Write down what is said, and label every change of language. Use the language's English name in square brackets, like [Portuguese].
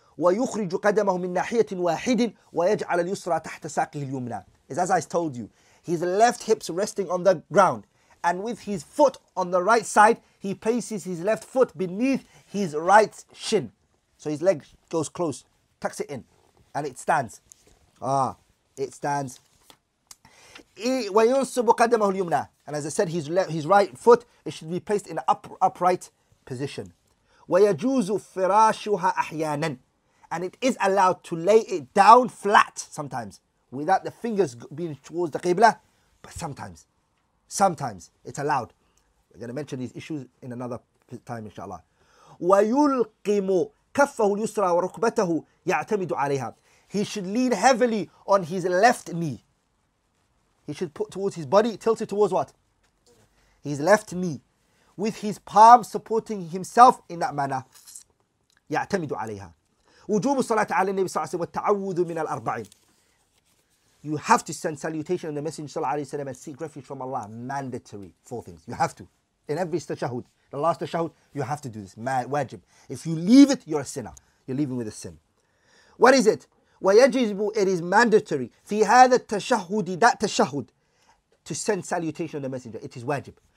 [Arabic] ويخرج قدمه من ناحية واحد ويجعل اليسرى تحت ساقه اليمنى. [English] It's as I told you, his left hips resting on the ground, and with his foot on the right side, he places his left foot beneath his right shin. So his leg goes close, tucks it in, and it stands. It stands. [Arabic] وينصب قدمه اليمنى. [English] And as I said, his right foot it should be placed in an upright position. [Arabic] ويجوز فراشها أحيانا. [English] And it is allowed to lay it down flat sometimes without the fingers being towards the Qibla. But sometimes it's allowed. We're going to mention these issues in another time, inshallah. [Arabic] وَيُلْقِمُ كَفَّهُ الْيُسْرَى وَرُكْبَتَهُ يَعْتَمِدُ عَلَيْهَا [English] He should lean heavily on his left knee. He should put towards his body, tilt it towards what? His left knee. With his palm supporting himself in that manner. [Arabic] يَعْتَمِدُ عَلَيْهَا وجوب الصلاة على النبي صلى الله عليه وسلم والتعوذ من الأربعين. [English] You have to send salutation on the Messenger صلى الله عليه وسلم and seek refuge from Allah. Mandatory. Four things. You have to. In every tashahud, the last tashahud, you have to do this. Wajib. If you leave it, you're a sinner. You're leaving with a sin. What is it? [Arabic] ويجب [English] it is mandatory. [Arabic] في هذا التشهد [English] that tashahud to send salutation on the Messenger. It is wajib.